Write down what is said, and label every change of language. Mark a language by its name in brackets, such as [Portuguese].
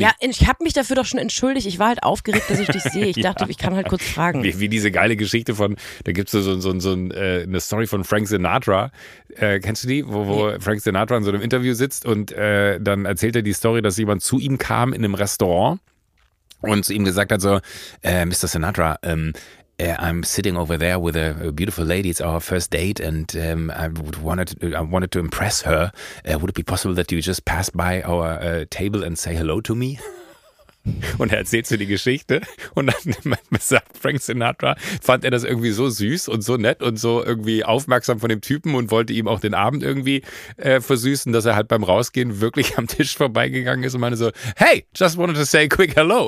[German] ja, ich habe mich dafür doch schon entschuldigt. Ich war halt aufgeregt, dass ich dich sehe. Ich dachte, ich kann halt kurz fragen. Wie diese geile Geschichte von, da gibt es eine Story von Frank Sinatra. Kennst du die? Wo Frank Sinatra in so einem Interview sitzt und dann erzählt er die Story, dass jemand zu ihm kam in einem Restaurant und zu ihm gesagt hat, Mr. [English] Sinatra, I'm sitting over there with a beautiful lady. It's our first date, and I wanted to impress her. Would it be possible that you just pass by our table and say hello to me? [German] Und er erzählt so die Geschichte und dann sagt Frank Sinatra, fand er das irgendwie so süß und so nett und so irgendwie aufmerksam von dem Typen und wollte ihm auch den Abend irgendwie versüßen, dass er halt beim Rausgehen wirklich am Tisch vorbeigegangen ist und meinte so, [English] hey, just wanted to say a quick hello.